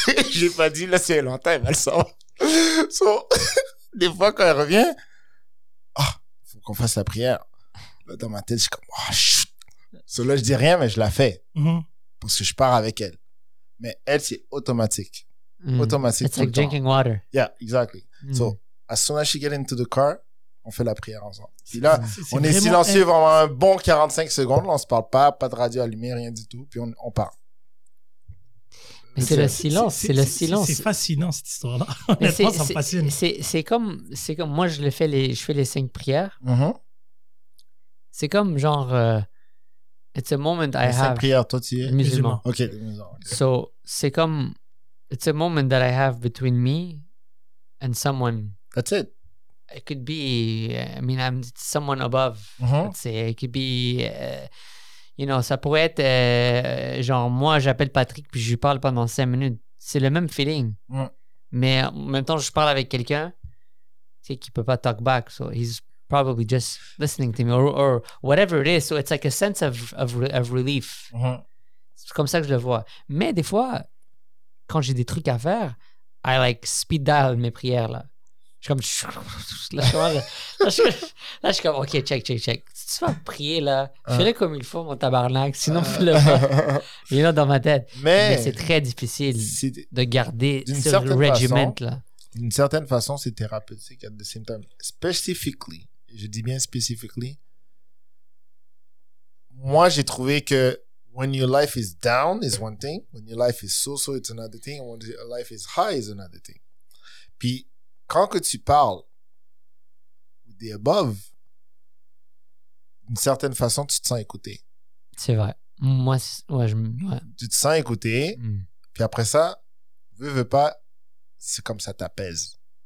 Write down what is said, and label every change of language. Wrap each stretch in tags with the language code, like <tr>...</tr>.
<fr>Je n'ai pas dit, là, si elle entend, elle va le savoir. So, des fois, quand elle revient, il faut qu'on fasse la prière. Là, dans ma tête, je suis comme, oh, chut. So, là, je ne dis rien, mais je la fais. Mm-hmm. Parce que je pars avec elle. Mais elle, c'est automatique. Mm. Automatique.</fr> <en>It's like drinking water. Yeah, exactly. Mm. So, as soon as she gets into the car,</en> <fr>on fait la prière ensemble. Puis là, on est silencieux pendant un bon 45 secondes. Là, on ne se parle pas, pas de radio allumée, rien du tout. Puis on part. Mais c'est le silence. C'est le silence. C'est fascinant, cette histoire-là. Honnêtement, ça me fascine. C'est comme moi, je fais les cinq prières. Mm-hmm. C'est comme genre,</fr> <en>it's a moment I</en> <fr>have. Cinq prières, toi, tu es musulman.</fr> <en>Okay. So,</en> <fr>c'est comme,</fr> <en>it's a moment that I have between me and someone. That's it. It could be, I'm someone above. Mm-hmm. Let's say. It could be,</en> <fr>ça pourrait être, genre, moi, j'appelle Patrick, puis je lui parle pendant 5 minutes. C'est le même feeling. Mm. Mais en même temps, je parle avec quelqu'un, tu sais, qui peut pas</fr> <en>talk back. So he's probably just listening to me or whatever it is. So it's like a sense of relief. Mm-hmm.</en> <fr>C'est comme ça que je le vois. Mais des fois, quand j'ai des trucs à faire,</fr> <en>I like speed dial</en> <fr>mes prières là. Comme là, je suis comme ok, check. Si tu vas prier là, fais-le comme il faut, mon tabarnak. Sinon, fais-le pas. Il est là dans ma tête. Mais c'est très difficile de garder ce regiment là. D'une certaine façon, c'est thérapeutique</fr> <en>at the same time. Specifically,</en> <fr>je dis bien specifically, moi j'ai trouvé que</fr> <en>when your life is down is one thing, when your life is so-so, it's another thing, when your life is high is another thing.</en> <fr>Puis quand que tu parles des above, d'une certaine façon, tu te sens écouté. C'est vrai. Moi, ouais. Tu te sens écouté. Mm. Puis après ça, veux pas, c'est comme ça t'apaise.</fr>